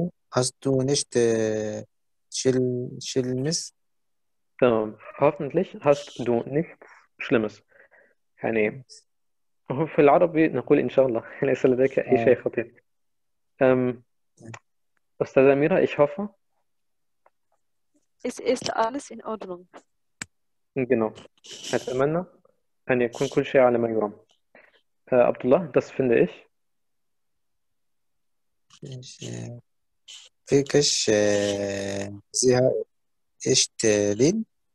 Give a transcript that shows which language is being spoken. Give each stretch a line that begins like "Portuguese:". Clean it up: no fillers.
German: Hast du nicht Schlimmes?
Arabic: تمام.
German: Hoffentlich hast du nichts Schlimmes.
Arabic: يعني في العربي نقول إن شاء الله ليس لديك أي شيء خطير.
German: أستاذة أميرة, ich hoffe. Es ist alles in Ordnung. Genau.
Arabic: أتمنى أن يكون كل شيء على ما يرام.
German: عبد الله, das finde ich. Wirklich sehr echt lieb.